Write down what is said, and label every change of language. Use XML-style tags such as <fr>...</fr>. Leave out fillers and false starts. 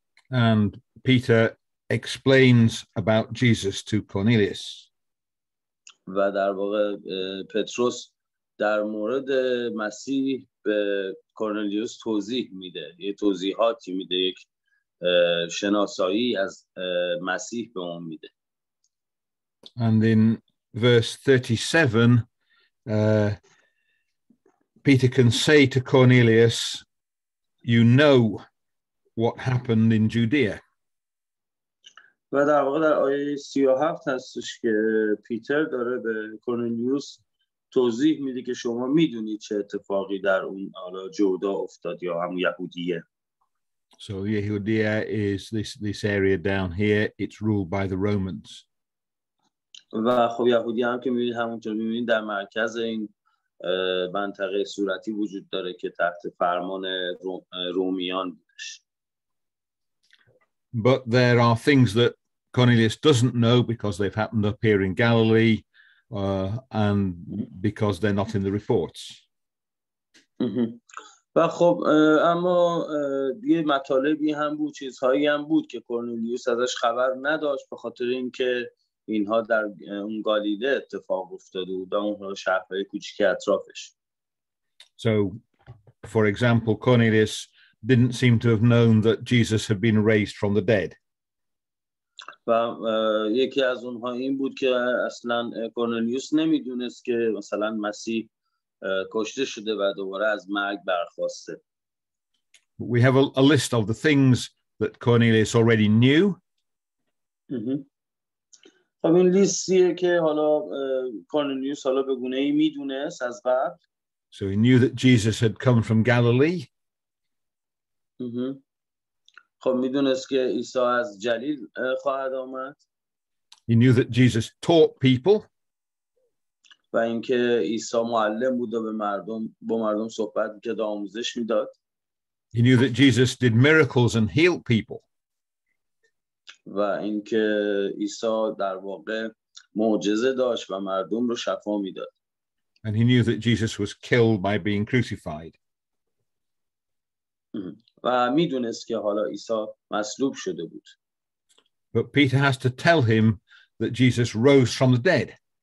<en>And Peter explains about Jesus to Cornelius.</en> <fa>و در واقع پتروس در مورد مسیح به کورنلیوس توضیح میده، یه توضیحاتی میده، یک شناسایی از مسیح به اون میده.</fa> <en>And in verse 37 Peter can say to Cornelius, you know what happened in Judea.</en> <fa>و در واقع در آیه 37 هستش که پیتر داره به کورنلیوس توضیح میده که شما میدونی چه اتفاقی در اون حالا جودا افتاد یا هم یهودیه.</fa> <en>So Yehudia is this area down here. It's ruled by the Romans.</en> <fa>و خب یهودی هم که می‌بینید همونطور می‌بینید در مرکز این منطقه صورتی وجود داره که تحت فرمان رومیان بودش.</fa> <en>But there are things that Cornelius doesn't know because they've happened up here in Galilee and because they're not in the reports.</en> <fa>و خب اما یه مطالبی هم بود، چیزهایی هم بود که کورنلیوس ازش خبر نداشت به خاطر اینکه اینها در اون گالیله اتفاق افتاده بود و اون شهرهای کوچیکی اطرافش.</fa> <en>So for example Cornelius didn't seem to have known that Jesus had been raised from the dead.</en> <fa>و یکی از اونها این بود که اصلا کورنلیوس نمیدونست که مثلا مسیح کشته شده و دوباره از مرگ برخواسته.</fa> <en>We have a list of the things that Cornelius already knew.</en> <fa>خب این لیستیه که حالا کورنلیوس حالا به گونه ای میدونست از قبل.</fa> <en>So he knew that Jesus had come from Galilee.</en> <fa>خب میدونست که عیسی از جلیل خواهد آمد.</fa> <en>He knew that Jesus taught people.</en> <fa>و اینکه عیسی معلم بود و با مردم صحبت می‌کرد، آموزش می‌داد.</fa> <en>He knew that Jesus did miracles and healed people.</en> <fa>و اینکه عیسی در واقع معجزه داشت و مردم رو شفا می‌داد.</fa> <en>And he knew that Jesus was killed by being crucified.</en> <fa>و می‌دونست که حالا عیسی مصلوب شده بود.</fa> <en>But Peter has to tell him that Jesus rose from the dead.</en>